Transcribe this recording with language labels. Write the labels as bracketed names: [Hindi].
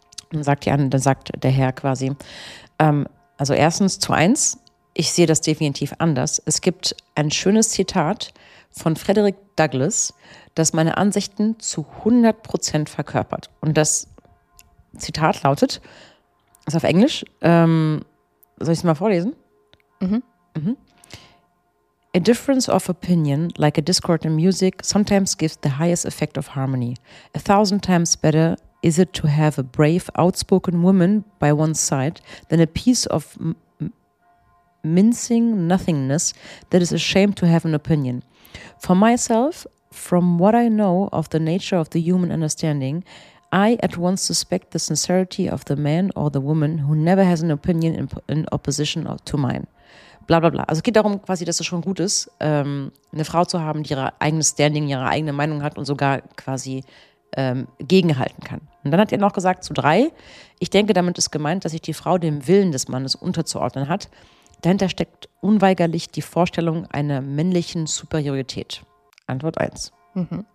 [German] Dann sagt der Herr quasi, also erstens zu eins, ich sehe das definitiv anders. Es gibt ein schönes Zitat von Frederick Douglass, das meine Ansichten zu 100% verkörpert. Und das Zitat lautet, ist auf Englisch, soll ich es mal vorlesen? Mhm. Mhm. [English] A difference of opinion, like a discord in music, sometimes gives the highest effect of harmony. 1,000 times better is it to have a brave, outspoken woman by one's side than a piece of mincing nothingness that is ashamed to have an opinion. For myself, from what I know of the nature of the human understanding, I at once suspect the sincerity of the man or the woman who never has an opinion in opposition to mine. [German] Bla bla bla. Also es geht darum quasi, dass es schon gut ist, eine Frau zu haben, die ihre eigene Standing, ihre eigene Meinung hat und sogar quasi gegenhalten kann. Und dann hat er noch gesagt zu drei, ich denke, damit ist gemeint, dass sich die Frau dem Willen des Mannes unterzuordnen hat. Dahinter steckt unweigerlich die Vorstellung einer männlichen Superiorität. Antwort 1. Mhm.